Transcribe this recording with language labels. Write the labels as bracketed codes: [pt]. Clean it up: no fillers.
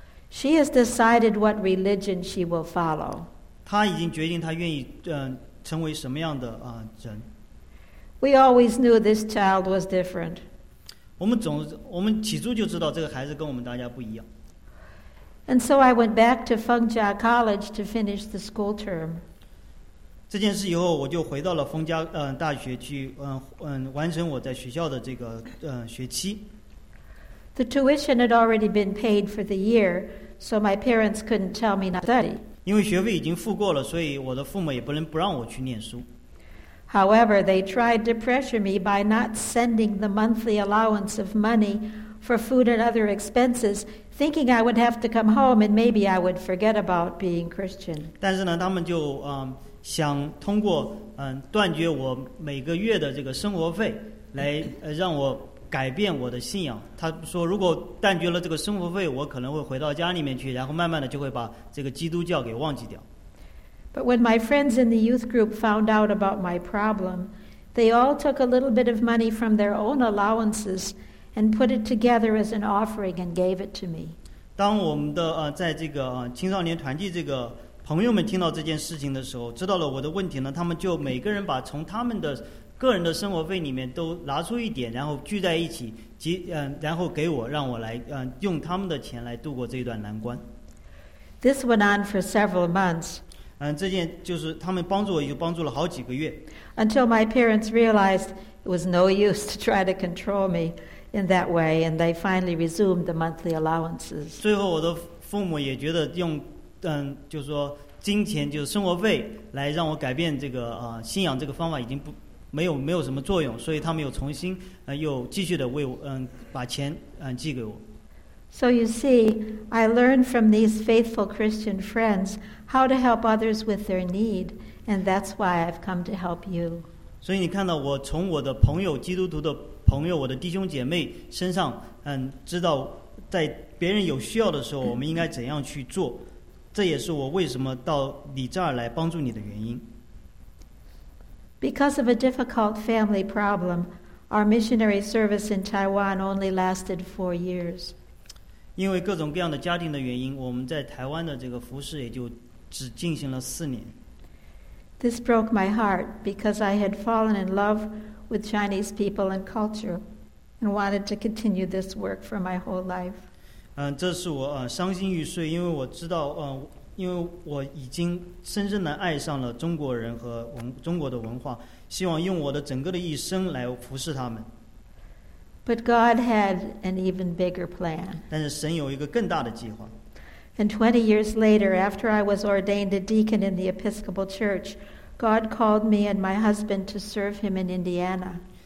[en] She has decided what religion she will follow. [zh] 他已经决定他愿意成为什么样的人。 [en] We always knew this child was different. [zh] 我们起初就知道这个孩子跟我们大家不一样。 [en] And so I went back to Feng Jia College to finish the school term. [zh] 这件事以后，我就回到了丰家大学去完成我在学校的这个学期。 [en] The tuition had already been paid for the year, so my parents couldn't tell me not to study. [zh] 因为学费已经付过了，所以我的父母也不能不让我去念书。 [en] However, they tried to pressure me by not sending the monthly allowance of money for food and other expenses, thinking I would have to come home and maybe I would forget about being Christian. [zh] 但是呢，他们就想通过断绝我每个月的这个生活费来让我改变我的信仰。他说，如果断绝了这个生活费，我可能会回到家里面去，然后慢慢的就会把这个基督教给忘记掉。 [en] But when my friends in the youth group found out about my problem, they all took a little bit of money from their own allowances and put it together as an offering and gave it to me. [zh] 当我们的在这个青少年团契这个朋友们听到这件事情的时候，知道了我的问题呢，他们就每个人把从他们的个人的生活费里面都拿出一点，然后聚在一起，然后给我，让我来用他们的钱来度过这一段难关。 [en] This went on for several months. [zh] 这件就是他们帮助我，也帮助了好几个月。 [en] Until my parents realized it was no use to try to control me in that way, and they finally resumed the monthly allowances. [zh] 最后，我的父母也觉得用就是说金钱，就是生活费，来让我改变这个信仰这个方法已经不。没有什么作用，所以他们又重新又继续的为我把钱寄给我。 [en] So you see, I learned from these faithful Christian friends how to help others with their need, and that's why I've come to help you. [zh] 所以你看到我从我的朋友基督徒的朋友我的弟兄姐妹身上知道在别人有需要的时候我们应该怎样去做，这也是我为什么到你这儿来帮助你的原因。 [en] Because of a difficult family problem, our missionary service in Taiwan only lasted 4 years. [zh] 因为各种各样的家庭的原因，我们在台湾的这个服事也就只进行了四年。 [en] This broke my heart because I had fallen in love with Chinese people and culture and wanted to continue this work for my whole life. [zh] 这是我伤心欲碎，因为我知道因为我已经深深地爱上了中国人和中国的文化，希望用我的整个的一生来服侍他们。 [en] But God had an even bigger plan. [zh] 但是神有一个更大的计划。 [en] And 20 years later, after I was ordained a deacon in the Episcopal Church, God called me and my husband to serve him in Indiana.